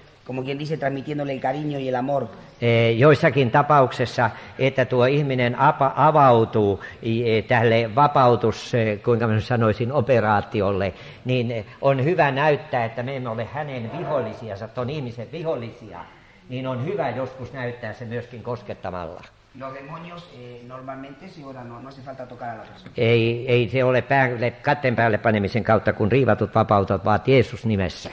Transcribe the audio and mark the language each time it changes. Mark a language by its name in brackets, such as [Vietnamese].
[Spanish] como quien dice, transmitiéndole el cariño y el amor. [Finnish] Joissakin tapauksessa, että tuo ihminen avautuu tälle vapautus, kuinka minä sanoisin, operaatiolle, niin on hyvä näyttää, että me emme ole hänen vihollisiansa, ton ihmisen vihollisia, niin on hyvä joskus näyttää se myöskin koskettamalla. [Spanish] Los demonios normalmente se oran, no hace falta tocar a la persona. [Finnish] Ei se ole katten päälle panemisen kautta, kun riivatut vapautat vaat Jeesus nimessä.